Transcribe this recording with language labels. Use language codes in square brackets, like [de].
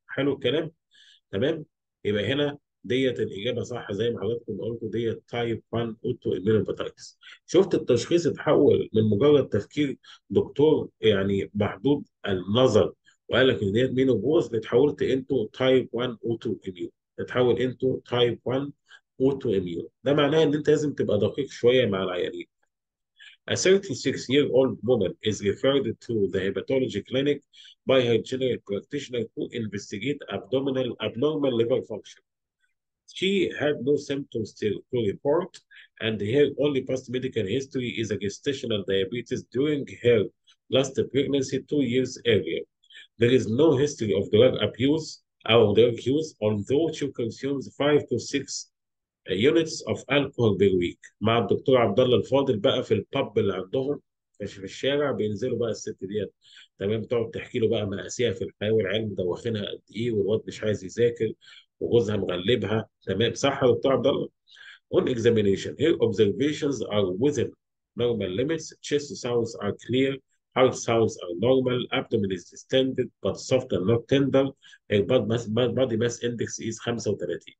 [ar] حلو الكلام؟ تمام؟ يبقى هنا ديت الاجابه صح زي ما حضرتكم قلتوا، ديت تايب 1 اوتو اميون هيباتيتس. شفت التشخيص اتحول من مجرد تفكير دكتور يعني محدود النظر وقال لك ان ديت مينوبوز، اتحولت انتو تايب 1 اوتو اميون، اتحول انتو تايب 1 اوتو اميون. ده معناه ان انت لازم تبقى دقيق شويه مع العيانين. [en] A 36 year old woman is referred to the hepatology clinic by her general practitioner to investigate abdominal abnormal liver function. She had no symptoms to report, and her only past medical history is a gestational diabetes during her last pregnancy 2 years earlier. There is no history of drug abuse or drug use, although she consumes 5 to 6 units of alcohol per week. [ar] مع الدكتور عبد الله الفاضل بقى في الباب اللي عندهم في الشارع بينزلوا بقى الست ديت، تمام، تقعد تحكي له بقى مقاسيها في الحياه والعلم دوخينها قد ايه، والواد مش عايز يذاكر وجوزها مغلبها، تمام، صح يا دكتور عبد الله؟ [en] On examination, her observations are within normal limits, chest sounds are clear, heart sounds are normal, abdomen is distended but soft and not tender, her body mass index is 35.